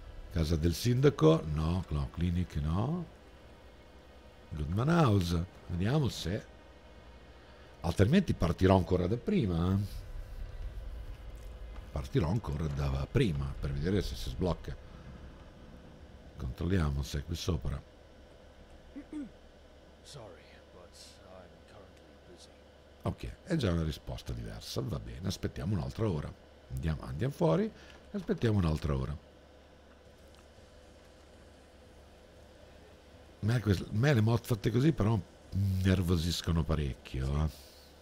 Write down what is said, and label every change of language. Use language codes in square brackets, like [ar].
[it] Casa del sindaco? No, clinic no. Goodman House. Vediamo se... Altrimenti partirò ancora da prima. Partirò ancora da prima per vedere se si sblocca. Controlliamo se è qui sopra. [en] Sorry, but I'm currently busy. [it] Ok, è già una risposta diversa, va bene, aspettiamo un'altra ora. Andiamo fuori, aspettiamo un'altra ora. A me le mod fatte così però nervosiscono parecchio. Sì.